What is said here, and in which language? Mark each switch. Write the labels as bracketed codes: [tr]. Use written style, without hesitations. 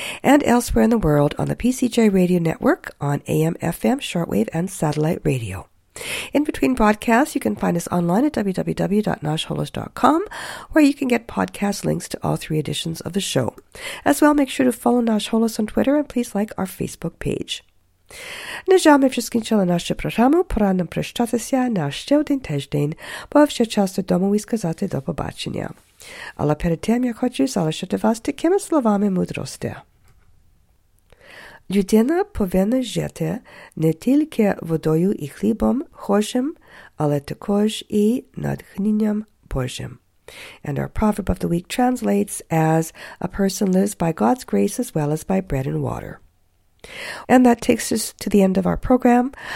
[en] And elsewhere in the world on the PCJ Radio Network on AM, FM, shortwave, and satellite radio. In between broadcasts, you can find us online at www.noshholos.com, where you can get podcast links to all three editions of the show. As well, make sure to follow Nash Holos on Twitter and please like our Facebook page. [uk] Нежами вчасно чули нашу програму, пора нам прощатися на ще один тиждень, бо вже час додому і сказати до побачення. Але перед тим я хочу залишити вас такими словами мудрості. Людина повинна жити не тільки водою і хлібом Божим, але також і натхненням Божим. [en] And our proverb of the week translates as, a person lives by God's grace as well as by bread and water. And that takes us to the end of our program.